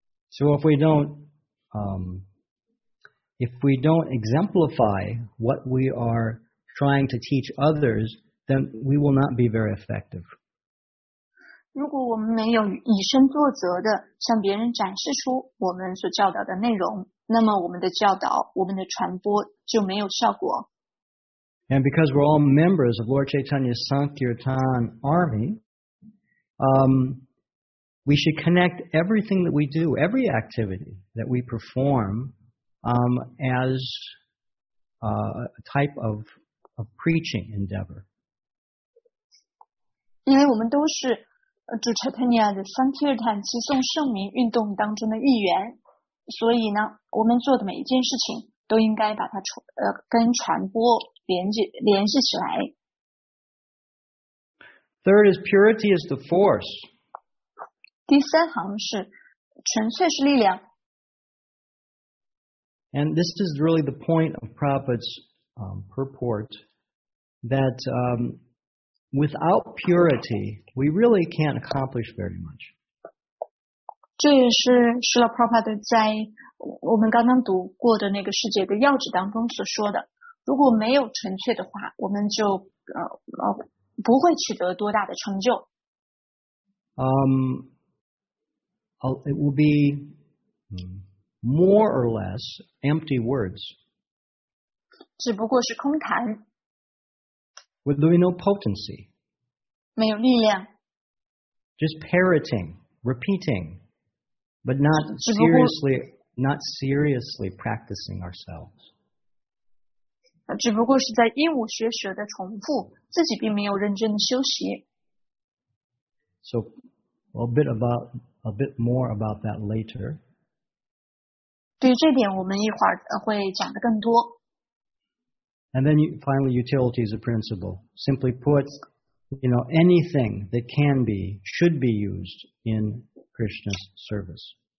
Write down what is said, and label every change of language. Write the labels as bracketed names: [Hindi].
[English] So if we don't, if we don't exemplify what we are trying to teach others, then we will not be very effective. [Chinese] 如果我们没有以身作则的向别人展示出我们所教导的内容，那么我们的教导，我们的传播就没有效果。 [English] And because we're all members of Lord Chaitanya's Sankirtan army, we should connect everything that we do, every activity that we perform, as a type of preaching endeavor. [Chinese] 因为我们都是主 Chaitanya 的 Sankirtan 齐颂圣名运动当中的一员，所以呢，我们做的每一件事情都应该把它跟传播联系起来。 [English] Third is purity is the force. [Chinese] 第三行是纯粹是力量。 [English] And this is really the point of Prabhupada's purport that without purity, we really can't accomplish very much. [Chinese] 这也是释迦牟尼佛在我们刚刚读过的那个世界的要旨当中所说的，如果没有纯粹的话，我们就不会取得多大的成就。 [English] It will be more or less empty words. [Chinese] 只不过是空谈。 [English] With no potency. [Chinese] 没有力量。 [English] Just parroting, repeating, but not seriously. Not seriously practicing ourselves. [Chinese] 只不过是在鹦鹉学舌的重复，自己并没有认真的修习。 [English] So, a bit more about that later. [Chinese] 对于这点，我们一会儿会讲的更多。 [English] And then finally, utility is a principle. Simply put, you know, anything that can be should be used in Krishna's service.